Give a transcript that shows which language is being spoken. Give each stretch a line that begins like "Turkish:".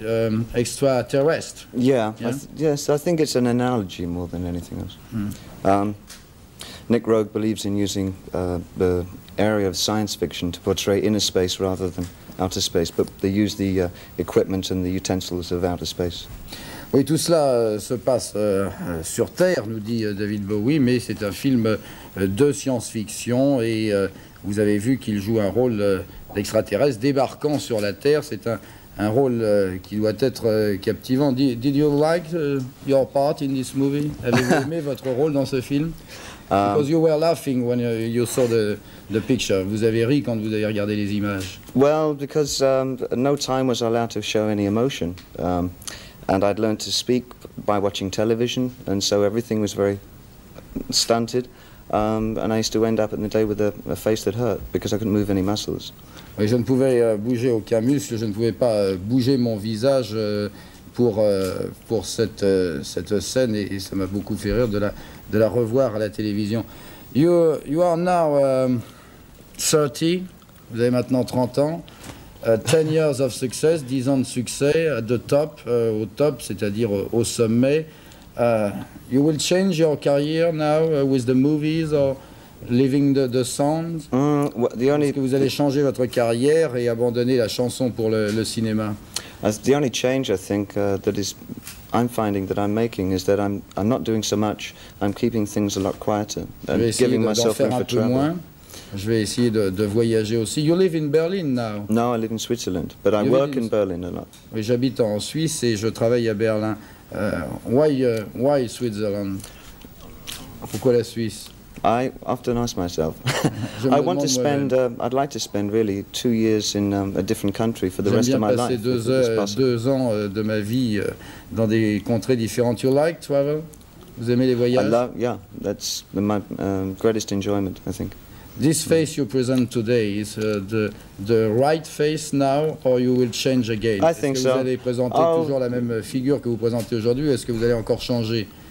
English: I think it's an analogy more than anything else. Nick Rogue believes in using the area of science fiction to portray inner space rather than outer space, but they use the equipment and the utensils of outer space.
French: Oui, tout cela se passe sur Terre, nous dit David Bowie, mais c'est un film de science-fiction et vous avez vu qu'il joue un rôle d'extraterrestre débarquant sur la Terre. C'est un rôle qui doit être captivant.
English: Did you like your part in this movie?
French: Avez-vous aimé votre rôle dans ce film?
English: Because you were laughing when you saw the picture.
French: Vous avez ri quand vous avez regardé les images.
English: Well, because no time was allowed to show any emotion. And I'd learned to speak by watching television, and so everything was very stunted. And I used to end up in the day with a face that hurt because I couldn't move any muscles.
French: Mais je ne pouvais bouger aucun muscle, je ne pouvais pas bouger mon visage pour cette scène, et ça m'a beaucoup fait rire de la revoir à la télévision.
English: You are now 30,
French: vous avez maintenant 30 ans.
English: 10 years of success,
French: 10 ans de succès,
English: at the top,
French: au top, c'est-à-dire au sommet.
English: You will change your career now with the movies or leaving the sounds?
French: Est-ce que vous allez changer votre carrière et abandonner la chanson pour le cinéma?
English: The only change I think that is I'm finding that I'm making is that I'm not doing so much. I'm keeping things a lot quieter and giving myself a bit of
French: moins. Je vais essayer de voyager aussi.
English: You live in Berlin now? No, I live in Switzerland, but I work in Berlin a lot.
French: Oui, j'habite en Suisse et je travaille à Berlin.
English: Why Switzerland?
French: Pourquoi la Suisse?
English: I often ask myself. I want to spend. I'd like to spend really 2 years in a different country for the rest of my life.
French: J'aime bien passer deux ans de ma vie dans des contrées différentes.
English: You like travel?
French: Vous aimez les voyages?
English: I love. Yeah, that's my greatest enjoyment, I think. This face you present today is the right face now, or you will change again? I think so.
French: Est-ce que vous allez présenter toujours la même figure que vous présentez aujourd'hui, ou est-ce que vous allez encore changer?